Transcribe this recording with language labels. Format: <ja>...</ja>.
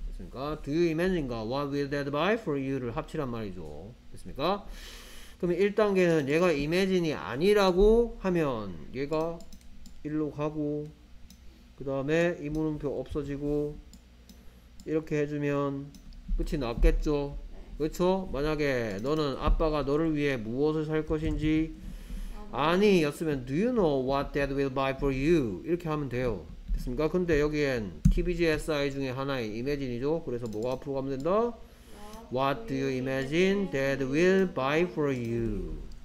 <en>Do you imagine가 what will dad buy for you를</en> <ko>합치란 말이죠. 됐습니까? 그럼 1단계는 얘가 imagine이 아니라고 하면 얘가 일로 가고 그 다음에 이 물음표 없어지고 이렇게 해주면 끝이 났겠죠. 그렇죠? 만약에 너는 아빠가 너를 위해 무엇을 살 것인지 아니 였으면</ko> <en>do you know what dad will buy for you</en> <ko>이렇게 하면 돼요. 됐습니까? 근데 여기엔 TBGSI 중에 하나의 imagine이죠. 그래서 뭐가 앞으로 가면 된다?</ko> <en>What do you imagine dad will buy for you?</en>